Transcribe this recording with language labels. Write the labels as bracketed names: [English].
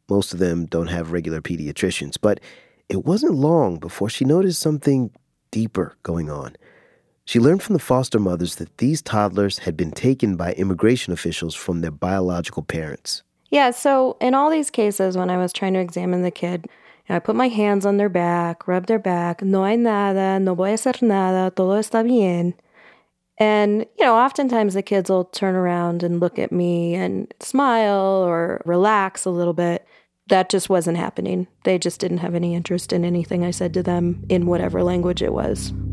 [English] Most of them don't have regular pediatricians, but it wasn't long before she noticed something deeper going on. She learned from the foster mothers that these toddlers had been taken by immigration officials from their biological parents. Yeah, so in all these cases, when I was trying to examine the kid, you know, I put my hands on their back, rubbed their back. [Spanish] No hay nada, no voy a hacer nada, todo está bien. [English] And, you know, oftentimes the kids will turn around and look at me and smile or relax a little bit. That just wasn't happening. They just didn't have any interest in anything I said to them in whatever language it was.